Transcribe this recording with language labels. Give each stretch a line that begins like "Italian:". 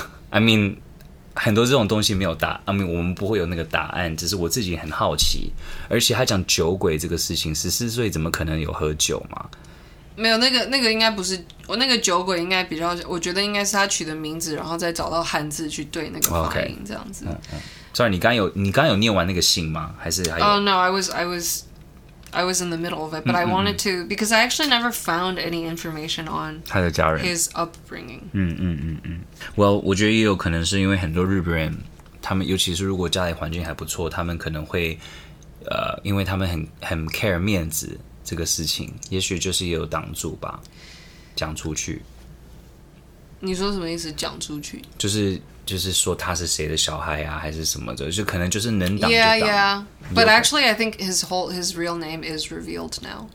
Chinese: I mean, 很多这种东西没有答案， I mean, 我们不会有那个答案，只是我自己很好奇。而且他讲酒鬼这个事情，14岁怎么可能有喝酒嘛？没有，那个应该不是，我那个酒鬼应该比较，我觉得应该是他取的名字，然后再找到汉字去对那个发音、
English: okay.
Chinese: 这样子。 Sorry, 你刚有念完那个信吗？还是还有？
English: 哦、no, I was in the middle of it, but I wanted to because I actually never found any information on his upbringing.
Chinese: Well, 我觉得也有可能是因为很多日本人，他们尤其是如果家里环境还不错，他们可能会，因为他们很 care 面子这个事情，也许就是也有挡住吧，讲出去。你说什么意思？讲出去？就是说他是谁的小孩啊，还是什么的？就可能就是能挡就挡。Yeah, yeah.
English: But actually, I think his real name is revealed now.